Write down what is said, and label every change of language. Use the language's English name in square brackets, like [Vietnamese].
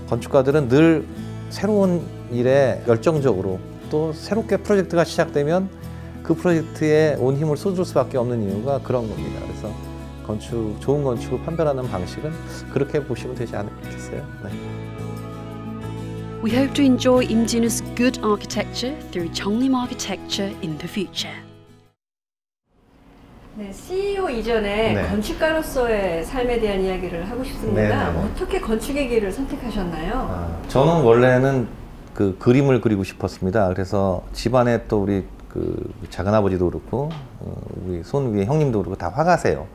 [Korean] 건축가들은 늘 새로운 일에 열정적으로 또 새롭게 프로젝트가 시작되면 그 프로젝트에 온 힘을 쏟을 수밖에 없는 이유가 그런 겁니다. 그래서 건축 좋은 건축을 판별하는 방식은 그렇게 보시면 되지 않겠어요? 네. [English] We hope to enjoy Im Jin-woo's good architecture through Cheongnim Architecture in the future. [Korean] 네, CEO 이전에 네. 건축가로서의 삶에 대한 이야기를 하고 싶습니다. 네네네. 어떻게 건축의 길을 선택하셨나요? 저는 원래는 그 그림을 그리고 싶었습니다. 그래서 집안에 또 우리 그 작은아버지도 그렇고 우리 손 위에 형님도 그렇고 다 화가세요.